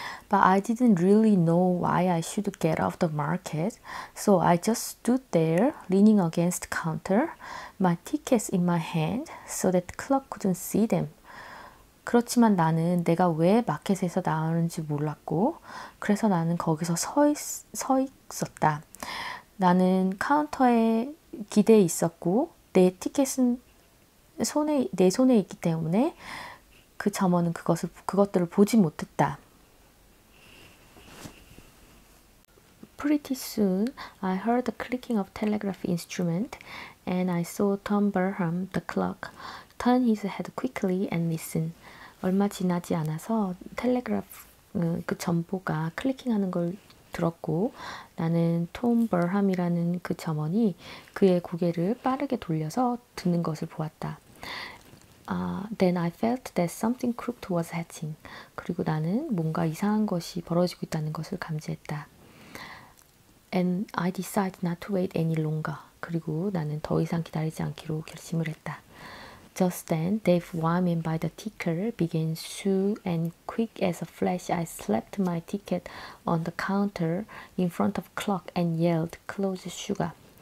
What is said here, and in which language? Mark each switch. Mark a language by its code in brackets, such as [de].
[en] But I didn't really know why I should get off the market, so I just stood there, leaning against the counter, my tickets in my hand, so that the clerk couldn't see them. [ko] 그렇지만 나는 내가 왜 마켓에서 나오는지 몰랐고, 그래서 나는 거기서 서 있었다. 나는 카운터에 기대 있었고, 내 티켓은 내 손에 있기 때문에 그 점원은 그것들을 보지 못했다. [en] Pretty soon, I heard the clicking of telegraph instrument, and I saw Tom Burham, the clerk, turn his head quickly and listen. [ko] 얼마 지나지 않아서 그 전보가 클리킹하는 걸 들었고, 나는 톰 버함이라는 그 점원이 그의 고개를 빠르게 돌려서 듣는 것을 보았다. [en] Then I felt that something crooked was hatching. [ko] 그리고 나는 뭔가 이상한 것이 벌어지고 있다는 것을 감지했다. [en] And I decided not to wait any longer. [ko] 그리고 나는 더 이상 기다리지 않기로 결심을 했다. [en] Just then, Dave Wyman by the ticker began slow and quick as a flash. I slapped my ticket on the counter in front of clock and yelled, "Close, sugar."